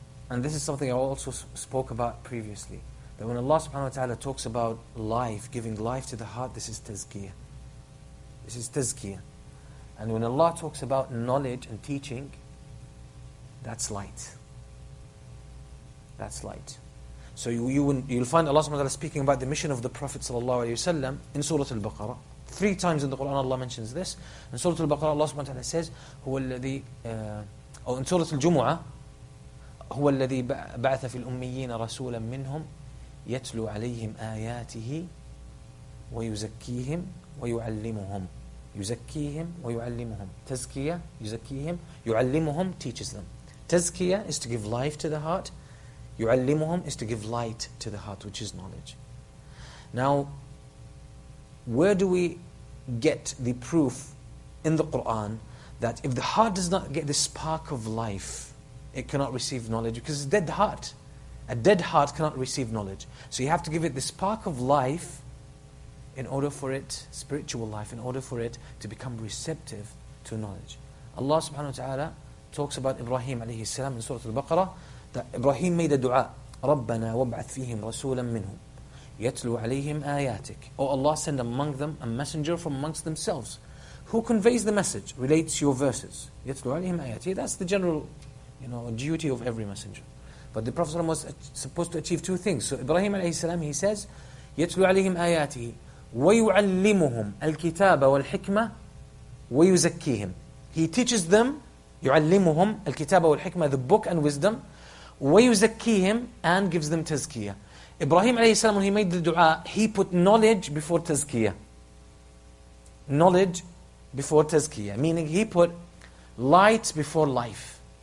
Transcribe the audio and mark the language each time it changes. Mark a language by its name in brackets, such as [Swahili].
[English] And this is something I also spoke about previously. That when Allah subhanahu wa ta'ala talks about life, giving life to the heart, this is tazkiyah. This is tazkiyah. And when Allah talks about knowledge and teaching, that's light. That's light. So you'll find Allah subhanahu wa ta'ala speaking about the mission of the Prophet sallallahu alayhi wa sallam in Surah Al-Baqarah. Three times in the Quran Allah mentions this. In Surah Al-Baqarah Allah subhanahu wa ta'ala says, [Arabic] هو الذي, [English] or in Surah Al-Jumu'ah, [Arabic] هو الذي بعث في الأميين رسولا منهم يَتْلُوا عَلَيْهِمْ آيَاتِهِ وَيُزَكِّيهِمْ وَيُعَلِّمُهُمْ. يُزَكِّيهِمْ وَيُعَلِّمُهُمْ. تَزْكِيَة, يُزَكِّيهِمْ, يُعَلِّمُهُمْ, [English] teaches them. تَزْكِيَة is to give life to the heart. يُعَلِّمُهُمْ is to give light to the heart, which is knowledge. Now, where do we get the proof in the Qur'an that if the heart does not get the spark of life, it cannot receive knowledge? Because it's a dead heart. A dead heart cannot receive knowledge. So you have to give it the spark of life in order for it, spiritual life, in order for it to become receptive to knowledge. Allah subhanahu wa ta'ala talks about Ibrahim alayhi salam in Surah Al-Baqarah, that Ibrahim made a dua, [Arabic] رَبَّنَا وَبْعَثْ فِيهِمْ رَسُولًا مِّنْهُمْ يَتْلُوْ عَلَيْهِمْ آيَاتِكَ. [English] Oh Allah, send among them a messenger from amongst themselves who conveys the message, relates your verses. [Arabic] يَتْلُوْ عَلَيْهِمْ آيَاتِكَ. [English] That's the general, you know, duty of every messenger. But the Prophet was supposed to achieve two things. So Ibrahim alayhi salam, he says, [Arabic] يَتْلُوْ عَلَيْهِمْ آيَاتِهِ وَيُعَلِّمُهُمْ الْكِتَابَ وَالْحِكْمَةِ وَيُزَكِّيهِمْ. [English] He teaches them, [Arabic] يُعَلِّمُهُمْ الْكِتَابَ وَالْحِكْمَةِ, [English] the book and wisdom, وَيُزَكِّيهِمْ, and gives them tazkiyah. Ibrahim alayhi salam, when he made the dua, he put knowledge before tazkiyah. Knowledge before tazkiyah, meaning he put light before life.